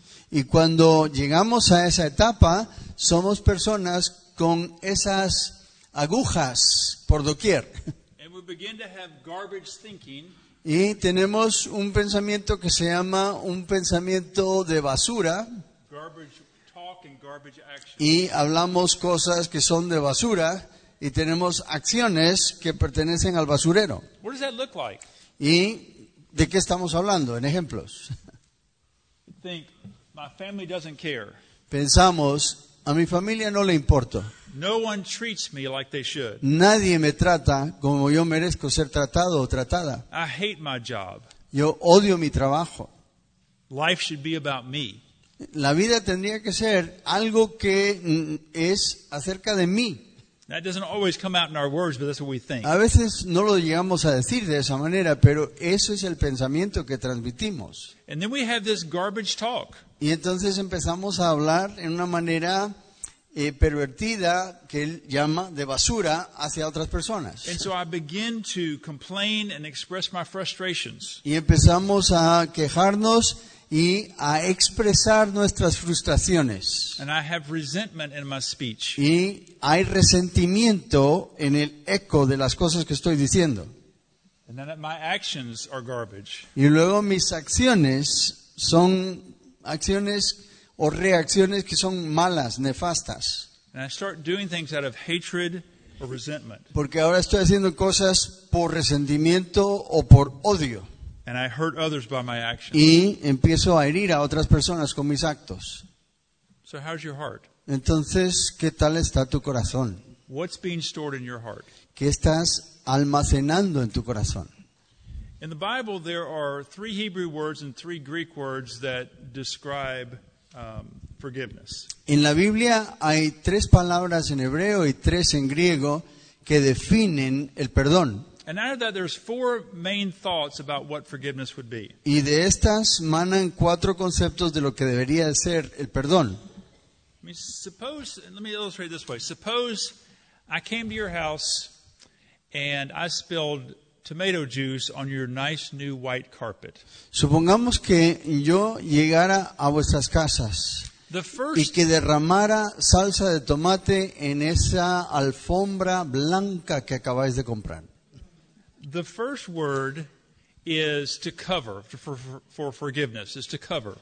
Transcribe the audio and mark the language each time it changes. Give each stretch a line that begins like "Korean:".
Spanish: Y cuando llegamos a esa etapa, somos personas con esas agujas por doquier.
English: And we begin to have garbage thinking.
Spanish: Y tenemos un pensamiento que se llama un pensamiento de basura.
English: Garbage talk and garbage action.
Spanish: Y hablamos cosas que son de basura y tenemos acciones que pertenecen al basurero.
English: What does that look like?
Spanish: ¿Y de qué estamos hablando? En ejemplos.
English: Think, my family doesn't care.
Spanish: Pensamos, a mi familia no le importo.
English: No one treats me like they should.
Spanish: Nadie me trata como yo merezco ser tratado o tratada.
English: I hate my job.
Spanish: Yo odio mi trabajo.
English: Life should be about me.
Spanish: La vida tendría que ser algo que es acerca de mí.
English: That doesn't always come out in our words, but that's what we think.
Spanish: A veces no lo llegamos a decir de esa manera, pero eso es el pensamiento que transmitimos.
English: And then we have this garbage talk.
Spanish: Y entonces empezamos a hablar en una manera pervertida, que él llama de basura, hacia otras personas.
English: And so I begin to complain and express my frustrations.
Spanish: Y empezamos a quejarnos y a expresar nuestras frustraciones.
English: And I have resentment in my speech.
Spanish: Y hay resentimiento en el eco de las cosas que estoy diciendo.
English: And then my actions are garbage.
Spanish: Y luego mis acciones son acciones o reacciones que son malas, nefastas.
English: And I start doing things out of hatred or resentment.
Spanish: Porque ahora estoy haciendo cosas por resentimiento o por odio.
English: And I hurt others by my actions.
Spanish: Y empiezo a herir a otras personas con mis actos.
English: So how's your heart?
Spanish: Entonces, ¿qué tal está tu corazón?
English: What's being stored in your heart?
Spanish: ¿Qué estás almacenando en tu corazón?
English: In the Bible, there are three Hebrew words and three Greek words that describe forgiveness.
Spanish: En la Biblia hay tres palabras en hebreo y tres en griego que definen el perdón.
English: And out of that, there's four main thoughts about what forgiveness would be.
Spanish: Y de estas manan cuatro conceptos de lo que debería ser el perdón.
English: I mean, suppose, let me illustrate it this way. Suppose I came to your house and I spilled tomato juice on your nice new white carpet.
Spanish: Supongamos que yo llegara a vuestras casas y que derramara salsa de tomate en esa alfombra blanca que acabáis de comprar.
English: The first word is to cover, for forgiveness, is to cover.